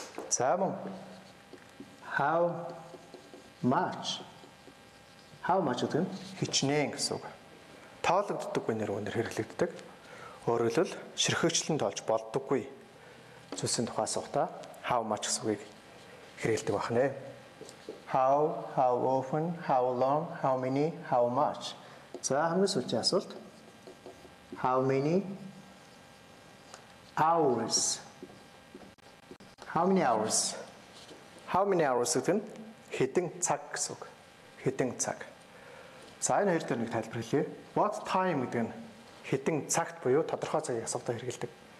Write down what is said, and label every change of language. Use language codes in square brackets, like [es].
[mn] За мөн. [en] How much? How much [mn] гэдэг нь хичнээн гэсэн үг. Тоологддоггүй нэр өнөр хэрэглэгддэг. Өөрөглөл ширхэгчлэн тоолж болдоггүй зүйлсийн тухай асуутаа [en] how much [mn] гэсэн үгийг хэрэгэлдэг байна нэ. [en] How often, how long, how many, how much. [mn] За хамгийн сүүлийн асуулт. [en] How many hours? How many hours? How many hours [mn] гэдэг нь хэдэн цаг гэсэн үг. Хэдэн цаг. За энэ хоёр дээр нэг тайлбар хэлье. [en] What time [mn] гэдэг нь хэдэн цагт буюу тодорхой цагийг асуултаа хэрэгэлдэг.